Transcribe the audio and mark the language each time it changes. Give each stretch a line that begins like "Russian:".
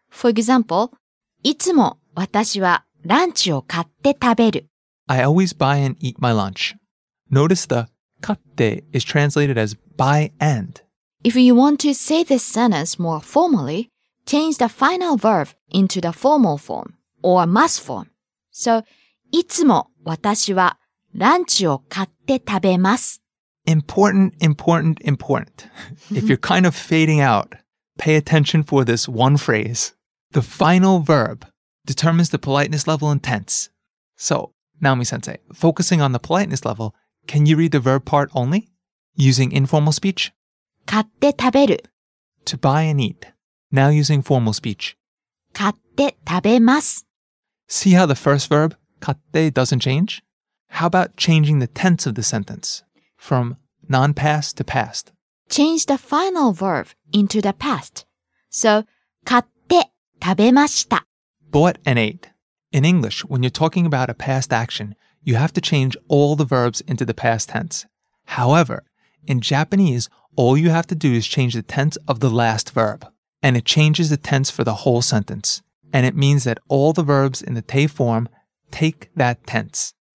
English: For example,
Japanese: いつも私はランチを買って食べる.
English: I always buy and eat my lunch. Notice the 買って is translated as buy and. If you want to say this sentence more formally, change the final verb into the formal form or must form.
Japanese: So, いつも私はランチを買って食べます.
English: Important. If you're kind of fading out, pay attention for this one phrase. The final verb determines the politeness level and tense. So, Naomi-sensei, focusing on the politeness level, can you read the verb part only? Using informal speech?
Japanese: 買って食べる.
English: To buy and eat. Now using formal speech.
Japanese: 買って食べます.
English: See how the first verb, 買って, doesn't change? How about changing the tense of the sentence? From non-past to past. Change the final verb into the past.
Japanese: So, 買って食べました.
English: Bought and ate. In English, when you're talking about a past action, you have to change all the verbs into the past tense. However, in Japanese, all you have to do is change the tense of the last verb. And it changes the tense for the whole sentence. And it means that all the verbs in the te form take that tense.